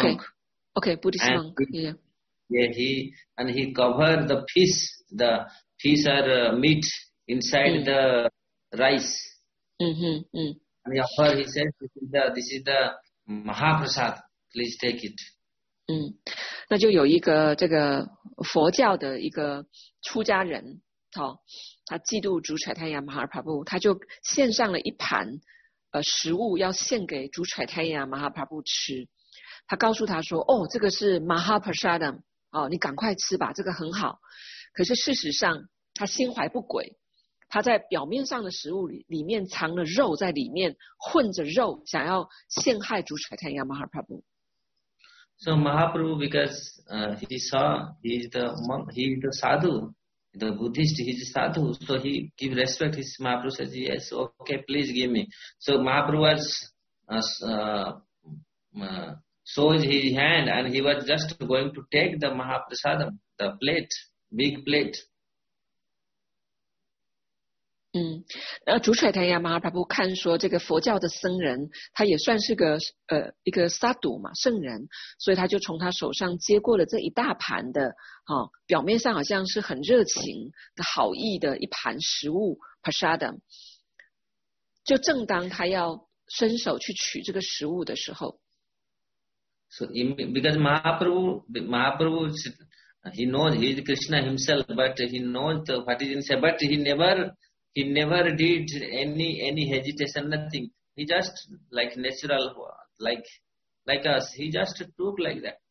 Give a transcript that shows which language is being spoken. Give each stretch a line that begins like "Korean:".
English: Okay. Okay, Buddhist and monk. He covered the fish. The fish are meat inside the rice. And he offered, he said, this is the Mahaprasad. Please take it.
Chinese: 那就有一个这个佛教的一个出家人，他嫉妒主柴太亚马哈帕布，他就献上了一盘食物要献给主柴太亚马哈帕布吃。他告诉他说：“哦，这个是马哈帕沙的，哦，你赶快吃吧，这个很好。” 可是事实上，他心怀不轨，他在表面上的食物里面藏了肉在里面，混着肉想要陷害主柴太亚马哈帕布。
English: So Mahaprabhu, because he saw he is the monk, he is the sadhu, the Buddhist, he is sadhu. So he give respect. His Mahaprabhu says, "Yes, okay, please give me." So Mahaprabhu was showed his hand, and he was just going to take the Mahaprasadam, the plate, big plate.
Chinese: 主水台亚马哈帕布看说这个佛教的僧人他也算是个一个萨赌嘛圣人，所以他就从他手上接过了这一大盘的表面上好像是很热情的好意的一盘食物 Prasadam。就正当他要伸手去取这个食物的时候，
English: So because Mahaprabhu he knows he is Krishna himself, but he knows what is inside, but he never did any hesitation, nothing. He just like natural, like us, he just took like that.